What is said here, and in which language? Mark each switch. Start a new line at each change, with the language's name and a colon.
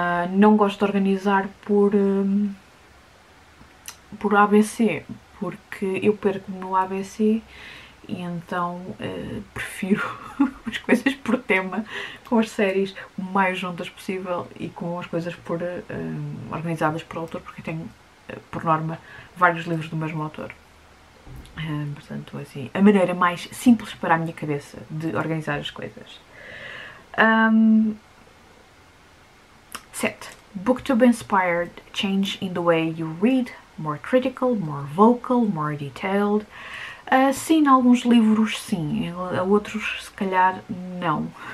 Portuguese: Não gosto de organizar por ABC, porque eu perco no ABC e então prefiro as coisas por tema, com as séries o mais juntas possível e com as coisas organizadas por autor, porque tenho, por norma, vários livros do mesmo autor. Portanto, assim, a maneira mais simples para a minha cabeça de organizar as coisas. Set.
English: BookTube inspired change in the way you read, more critical, more vocal, more detailed.
Portuguese: Sim, alguns livros sim, a outros se calhar não.